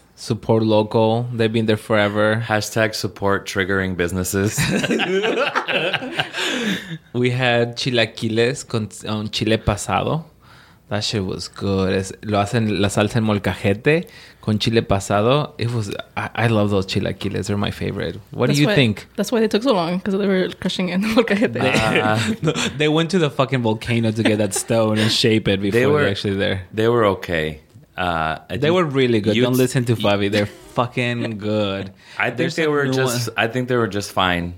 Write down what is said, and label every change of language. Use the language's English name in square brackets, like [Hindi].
[English] Support local. They've been there forever. Hashtag support triggering businesses. We had chilaquiles [Spanish] con chile pasado. [English] That shit was good. [Spanish] Lo hacen la salsa en molcajete con chile pasado. [English] It was... I love those chilaquiles. They're my favorite. What do you think? That's why they took so long, because they were crushing in the molcajete. They went to the fucking volcano to get that stone and shape it before they were actually there. They were okay. They were really good. Don't listen to Fabi. They're fucking good. I think they were just fine.